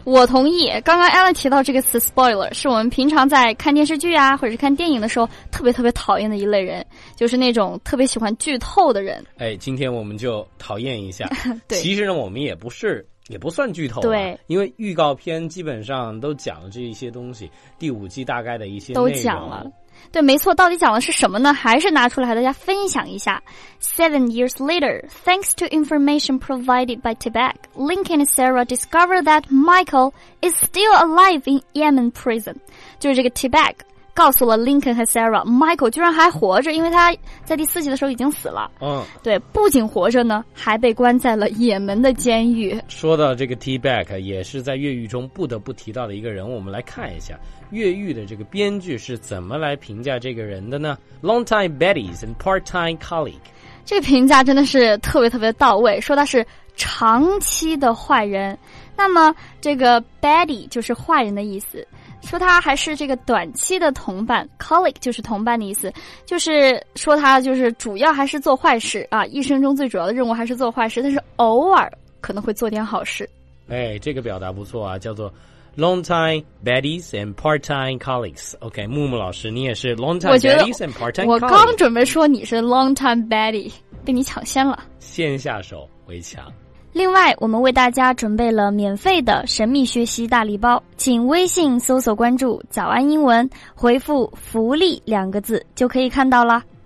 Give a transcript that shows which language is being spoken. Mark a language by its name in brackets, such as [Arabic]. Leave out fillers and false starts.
[Chinese] 我同意，刚刚 Alan 提到这个词 Spoiler， 是我们平常在看电视剧啊或者是看电影的时候特别特别讨厌的一类人，就是那种特别喜欢剧透的人。哎，今天我们就讨厌一下。对，其实呢我们也不算剧透啊。对，因为预告片基本上都讲了这一些东西，第五季大概的一些内容都讲了。对，没错，到底讲的是什么呢？还是拿出来和大家分享一下。 [English] 7 years later, thanks to information provided by Tibet, Lincoln and Sarah discover that Michael is still alive in Yemen prison. [Chinese] 就是这个 Tibet 告诉了 Lincoln 和 Sarah， Michael 居然还活着，因为他在第四集的时候已经死了。对，不仅活着呢，还被关在了也门的监狱。说到这个 Tibet， 也是在越狱中不得不提到的一个人，我们来看一下越狱的这个编剧是怎么来评价这个人的呢？ [English] Long time buddies and part time colleague， [Chinese] 这个评价真的是特别特别到位，说他是长期的坏人。那么这个 buddy 就是坏人的意思，说他还是这个短期的同伴， colleague 就是同伴的意思，就是说他就是主要还是做坏事啊，一生中最主要的任务还是做坏事，但是偶尔可能会做点好事。哎，这个表达不错啊，叫做 [English] Long time baddies and part time colleagues. OK， [Chinese] 木木老师，你也是 [English] long time baddies and part time colleagues。 [Chinese] 我刚准备说你是 [English] long time baddie， [Chinese] 被你抢先了。先下手为强。另外，我们为大家准备了免费的神秘学习大礼包，请微信搜索关注“早安英文”，回复“福利”两个字就可以看到了。